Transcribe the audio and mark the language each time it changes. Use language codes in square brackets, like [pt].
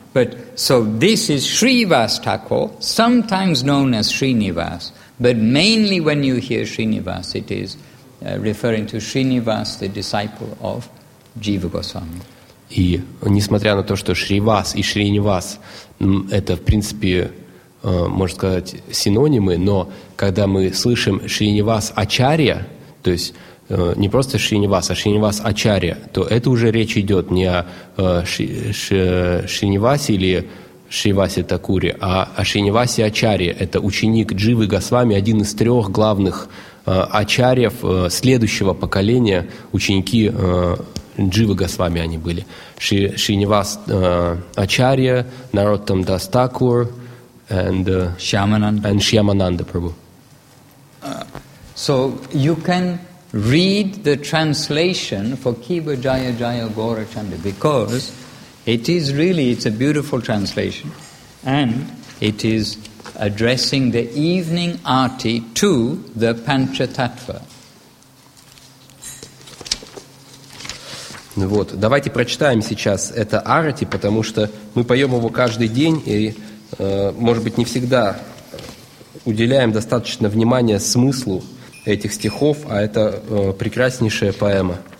[en] But so this is Srivas Thakur, sometimes known as Srinivas, but mainly when you hear Srinivas, it is referring to Srinivas, the disciple of Jiva Goswami. [ru] И несмотря на то, что Шривас и Шринивас это в принципе, можно сказать, синонимы, но когда мы слышим Шринивас Ачарья, то есть не просто Шринивас, а Шринивас Ачарья, то это уже речь идет не о Шринивасе или Шривасе Такуре, а о Шринивасе Ачарье. Это ученик Дживы Госвами, один из трех главных ачарьев следующего поколения. Ученики Дживы Госвами они были. Шринивас Ачарья, Народтам Дас Такур [en] and [ru] Шьямананда Прабху. [en] So you can read the translation for Kiva Jaya Jaya Gaura Chanda because it is really, it's a beautiful translation and it is addressing the evening arti to the Panchatattva. [ru] Вот, давайте прочитаем сейчас это арти, потому что мы поем его каждый день и, может быть, не всегда уделяем достаточно внимания смыслу этих стихов, а это прекраснейшая поэма.